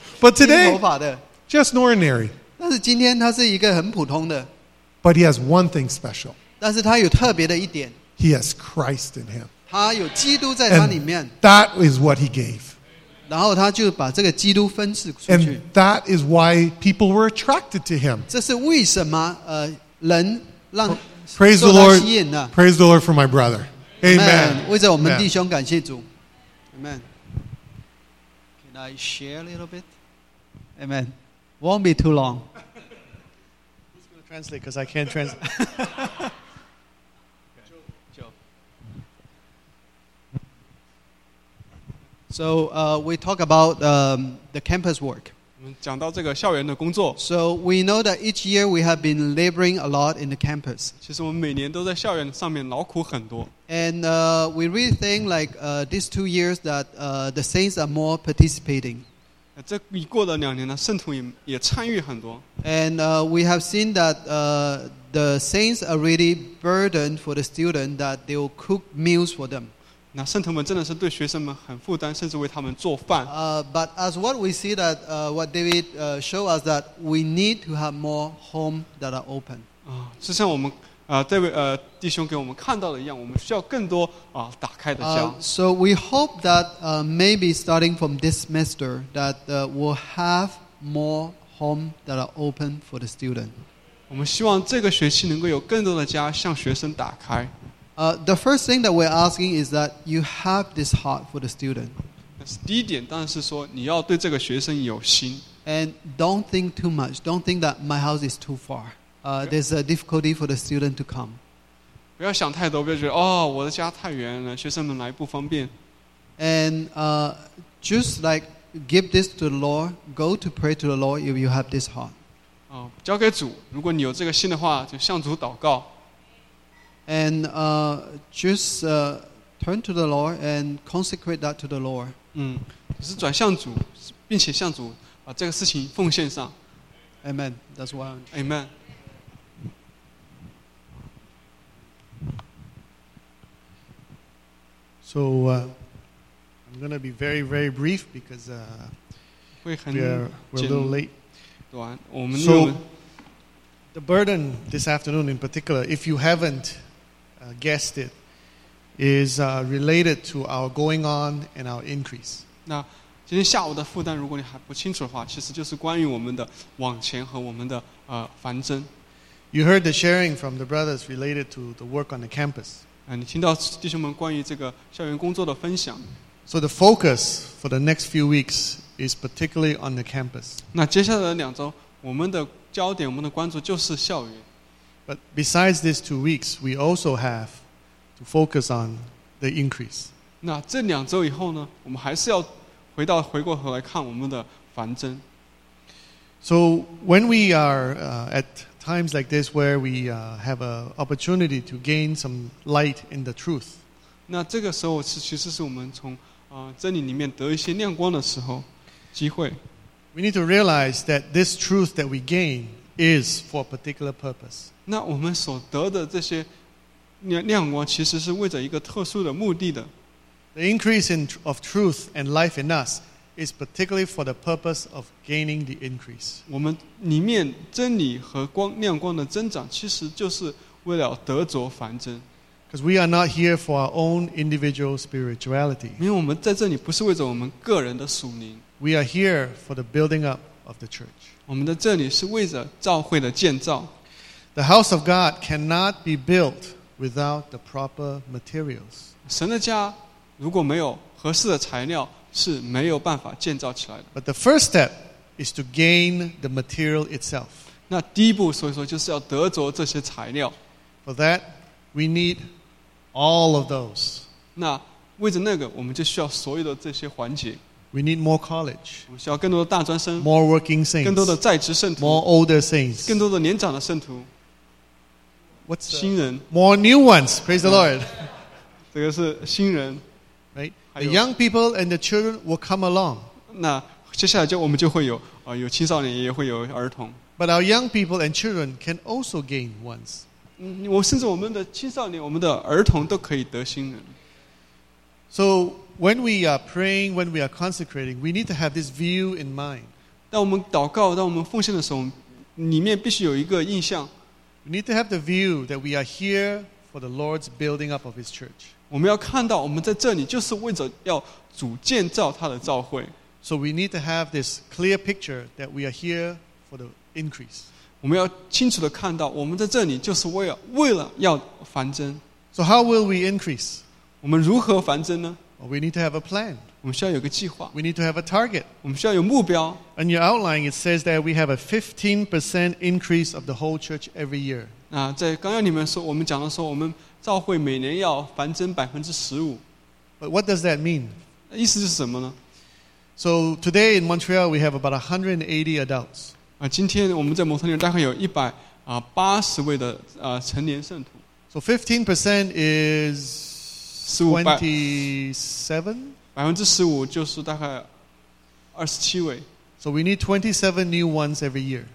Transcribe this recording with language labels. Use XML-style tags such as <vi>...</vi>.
<en>But today, just ordinary.</en> <zh>但是今天他是一个很普通的。</zh> <en>But he has one thing special.</en> <zh>但是他有特别的一点。</zh> <en>He has Christ in him.</en> <zh>他有基督在他里面。</zh> <en>That is what he gave.</en> <zh>然后他就把这个基督分赐出去。</zh> <en>And that is why people were attracted to him.</en> <zh>这是为什么人让。</zh> <en>Praise the Lord. Praise the Lord for my brother. Amen.</en> <zh>为着我们弟兄感谢主。Amen.</zh> <en>Can I share a little bit? Amen. Won't be too long. Who's going to translate? Because I can't translate. Okay. Joe. So we talk about the campus work.</en> <zh>讲到这个校园的工作。</zh> <en>So we know that each year we have been laboring a lot in the campus.</en> <zh>其实我们每年都在校园上面劳苦很多。</zh> <en>And we really think like these 2 years that the saints are more participating.</en> <zh>这已过了两年呢，圣徒也参与很多。</zh> <en>And we have seen that the saints are really burdened for the student that they will cook meals for them.</en> <zh>那圣徒们真的是对学生们很负担，甚至为他们做饭。</zh> <en>But as what we see that what David showed us that we need to have more homes that are open.</en> <zh>就像我们David弟兄给我们看到的一样，我们需要更多打开的家。</zh> <en>So we hope that maybe starting from this semester that we'll have more homes that are open for the student.</en> <zh>我们希望这个学期能够有更多的家向学生打开。</zh> <en>The first thing that we're asking is that you have this heart for the student.</en> <zh>第一点当然是说你要对这个学生有心。</zh> <en>And don't think too much. Don't think that my house is too far. There's a difficulty for the student to come.</en> <zh>不要想太多，不要觉得哦，我的家太远了，学生们来不方便。</zh> <en>And just like give this to the Lord. Go to pray to the Lord if you have this heart.</en> <zh>交给主，如果你有这个心的话，就向主祷告。</zh> <en>And just turn to the Lord and consecrate that to the Lord.</en> <zh>只是转向主，并且向主把这个事情奉献上。</zh> <en>Amen. That's why. Amen. So I'm going to be very, very brief because we're a little late.</en> <zh>短，我们</zh> <en>so the burden this afternoon in particular, if you haven't. Guessed it is related to our going on and our increase.</en> <zh>那今天下午的负担，如果你还不清楚的话，其实就是关于我们的往前和我们的繁增。</zh> <en>You heard the sharing from the brothers related to the work on the campus.</en> <zh>你听到弟兄们关于这个校园工作的分享。</zh> <en>So the focus for the next few weeks is particularly on the campus.</en> <zh>那接下来的两周，我们的焦点，我们的关注就是校园。</zh> <en>But besides these 2 weeks, we also have to focus on the increase.</en> <zh>那这两周以后呢，我们还是要回过头来看我们的繁增。</zh> <en>So when we are at times like this where we have an opportunity to gain some light in the truth.</en> <zh>那这个时候其实是我们从真理里面得一些亮光的时候机会。</zh> <en>We need to realize that this truth that we gain is for a particular purpose.</en> <zh>那我们所得的这些亮光其实是为着一个特殊的目的的。</zh> <en>The increase in of truth and life in us is particularly for the purpose of gaining the increase.</en> <zh>我们里面真理和光亮光的增长其实就是为了得着繁增。</zh> <en>Because we are not here for our own individual spirituality.</en> <zh>因为我们在这里不是为着我们个人的属灵。</zh> <en>We are here for the building up of the church.</en> <zh>我们的这里是为着教会的建造。</zh> <en>The house of God cannot be built without the proper materials.</en> <zh>神的家如果没有合适的材料是没有办法建造起来的。</zh> <en>But the first step is to gain the material itself.</en> <zh>那第一步所以说就是要得着这些材料。</zh> <en>For that, we need all of those.</en> <zh>那为着那个我们就需要所有的这些环节。</zh> <en>We need more college.</en> <zh>我们需要更多的大专生。</zh> <en>More working saints.</en> <zh>更多的在职圣徒。</zh> <en>More older saints.</en> <zh>更多的年长的圣徒。</zh> <en>What's the,</en> <zh>新人。</zh> <en>More new ones, praise the Lord.</en> <zh>这个是新人。</zh> <en>Right? The young people and the children will come along.</en> <zh>那接下来就我们就会有有青少年也会有儿童。</zh> <en>But our young people and children can also gain ones.</en> <zh>我甚至我们的青少年我们的儿童都可以得新人。</zh> <en>So when we are praying, when we are consecrating, we need to have this view in mind.</en> <zh>当我们祷告，当我们奉献的时候，里面必须有一个印象。</zh> <en>We need to have the view that we are here for the Lord's building up of His church.</en> <zh>我们要看到，我们在这里就是为着要主建造他的教会。</zh> <en>So we need to have this clear picture that we are here for the increase.</en> <zh>我们要清楚地看到，我们在这里就是为了要繁增。</zh> <en>So how will we increase?</en> <zh>我们如何繁增呢?</zh> <en>We need to have a plan.</en> <zh>我们需要有个计划。</zh> <en>We need to have a target.</en> <zh>我们需要有目标。</zh> <en>And your outline, it says that we have a 15% increase of the whole church every year.</en> <zh>那在纲要里面说，我们讲的说，我们教会每年要繁增15%。</zh> <en>But what does that mean?</en> <zh>意思是什么呢?</zh> <en>So today in Montreal, we have about 180 adults.</en> <zh>今天我们在蒙特利尔大概有180位的成年圣徒。</zh> <en>So 15% is...</en> <zh>27%? 15% 就是大概27位。</zh> <en>So we need 27 new ones every year.</en>